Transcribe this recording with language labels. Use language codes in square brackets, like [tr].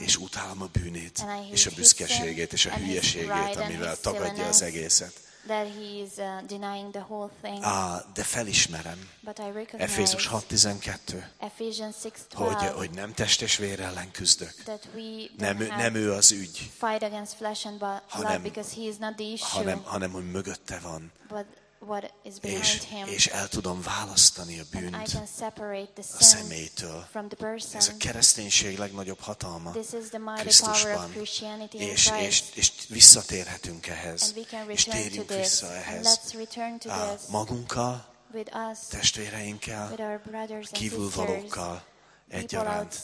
[hu] És utálom a bűnét. [en] And I hate [hu] és a büszkeségét és a hülyeségét, amivel tagadja az egészet. [en] That he is denying the whole thing. [hu] De felismerem. [en] But I recognize Ephesians 6:12. [hu] Hogy nem test és vér ellen küzdök. [en] That we [hu] nem ő az ügy. [en] Fight against flesh and blood because he is not the issue. [hu] Hanem hogy mögötte van. [en] But what is behind him. [hu] És el tudom választani a bűnt. [en] And I can separate the sin [hu] a személytől. [en] From the person. [hu] Ez a kereszténység legnagyobb hatalma. [en] This is the mighty power of Christianity in Christ. [hu] És visszatérhetünk ehhez. [en] And we can return to this. [hu] Vissza ehhez. [en] And let's return to this. [hu] Magunkkal, [en] with us, [hu] testvéreinkkel, [en] with our brothers and [hu] kívülvalókkal egyaránt,